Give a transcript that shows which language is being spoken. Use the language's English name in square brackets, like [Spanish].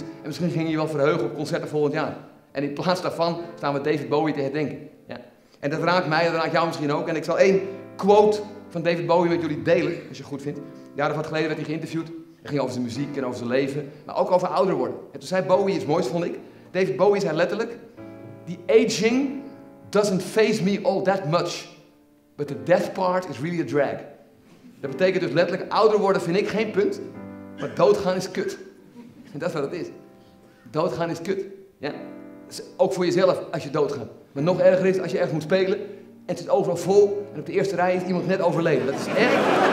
[Dutch] En misschien ging je wel verheugen op concerten volgend jaar. En in plaats daarvan staan we David Bowie te herdenken. Ja. En dat raakt mij, dat raakt jou misschien ook. En ik zal 1 quote van David Bowie met jullie delen, als je het goed vindt. Jaren of wat geleden werd hij geïnterviewd. Het ging over zijn muziek en over zijn leven, maar ook over ouder worden. En toen zei Bowie iets moois, vond ik. [English] David Bowie [Dutch] zei letterlijk, [English] the aging doesn't faze me all that much, but the death part is really a drag. [Dutch] Dat betekent dus letterlijk, ouder worden vind ik geen punt, maar doodgaan is kut. En dat is wat het is. Doodgaan is kut. Ja? Ook voor jezelf als je doodgaat. Maar nog erger is als je ergens moet spelen en het zit overal vol en op de eerste rij is iemand net overleden. Dat is echt...